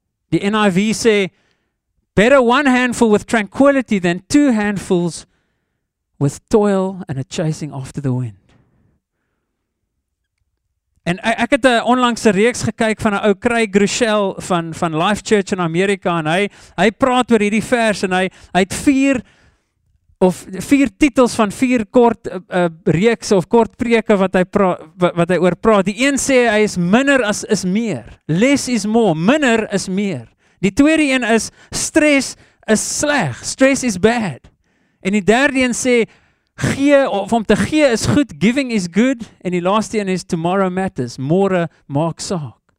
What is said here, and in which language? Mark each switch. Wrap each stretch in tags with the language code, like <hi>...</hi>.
<af>Die NIV sê,</af> <en>better one handful with tranquility than two handfuls with toil and a chasing after the wind.</en> <af>En ek het 'n onlangse reeks gekyk van 'n ou Craig Groeschel van Life Church in Amerika en hy praat oor hierdie vers en hy het vier titels van vier kort reekse of kort preke wat hy oor praat. Die een sê hy is minder as is meer.</af> <en>Less is more.</en> <af>Minder is meer. Die tweede een is stress is sleg.</af> <en>Stress is bad.</en> <af>En die derde een sê gee, of om te gee is goed,</af> <en>giving is good,</en> <af>en die laaste een is</af> <en>tomorrow matters,</en> <af>môre maak saak.</af>